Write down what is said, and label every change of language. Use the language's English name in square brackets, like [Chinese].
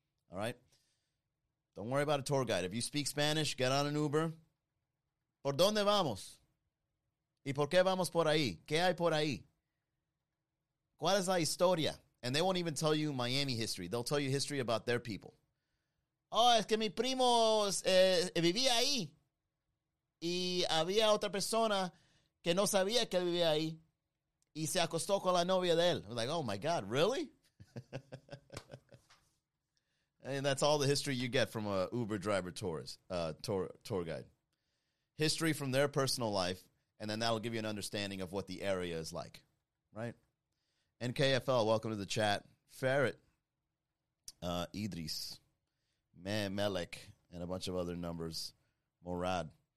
[English] All right? Don't worry about a tour guide. If you speak Spanish, get on an Uber. [Spanish] ¿Por dónde vamos? ¿Y por qué vamos por ahí? ¿Qué hay por ahí? ¿Cuál es la historia? [English] And they won't even tell you Miami history. They'll tell you history about their people. [Spanish] Oh, es que mi primo vivía ahí. Y había otra persona que no sabía que vivía ahí. Y se acostó con la novia de él. [English] I'm like, oh my God, really? And that's all the history you get from a Uber driver tour guide. History from their personal life. And then that'll give you an understanding of what the area is like. Right? NKFL, welcome to the chat. Ferret, Idris, Melek, and a bunch of other numbers. Morad.